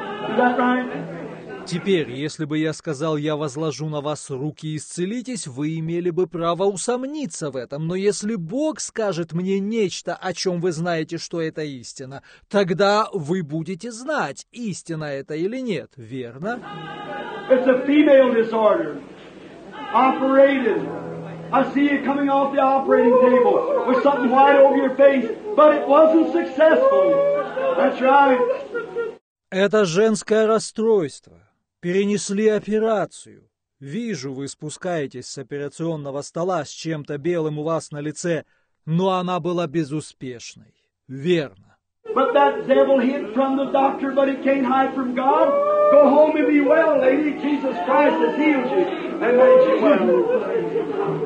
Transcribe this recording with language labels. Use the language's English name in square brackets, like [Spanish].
[English] Is that right? [Russian] Теперь, если бы я сказал, я возложу на вас руки и исцелитесь, вы имели бы право усомниться в этом. Но если Бог скажет мне нечто, о чем вы знаете, что это истина, тогда вы будете знать, истина это или нет, верно? [English] It's a female disorder. Operated. I see you coming off the operating table with something white over your face, but it wasn't successful. That's right. [Russian] Это женское расстройство. Перенесли операцию. Вижу, вы спускаетесь с операционного стола с чем-то белым у вас на лице, но она была безуспешной. Верно. [English] But that devil hid from the doctor, but he can't hide from God. Go home and be well, lady. Jesus Christ has healed you and made you well.